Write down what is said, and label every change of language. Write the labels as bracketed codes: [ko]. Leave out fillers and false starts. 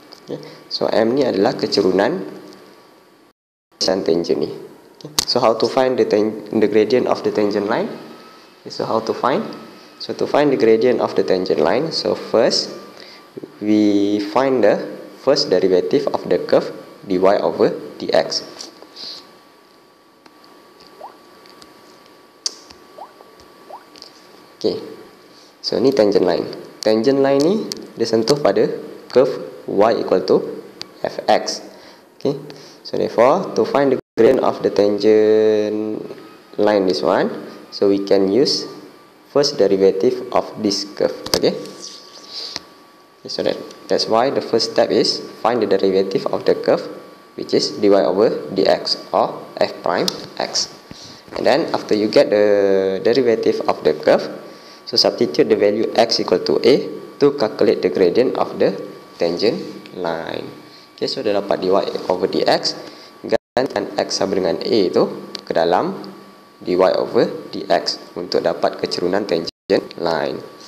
[ms] Okay, so m ni adalah kecerunan san tangent ni. [en] Okay, so how to find the gradient of the tangent line? Okay, so how to find? So to find the gradient of the tangent line, so first we find the first derivative of the curve dy over dx. [ms] Okay, so ni tangent line. Tangent line ni dia sentuh pada curve y equal to fx. [en] Okay, so therefore to find the gradient of the tangent line this one, so we can use first derivative of this curve. Okay, so that's why the first step is find the derivative of the curve, which is dy over dx or f prime x. And then after you get the derivative of the curve, so substitute the value x equal to a to calculate the gradient of the tangent line. [ms] Okay, so dah dapat dy over dx, gantikan x sama dengan a itu ke dalam dy over dx untuk dapat kecerunan tangent line.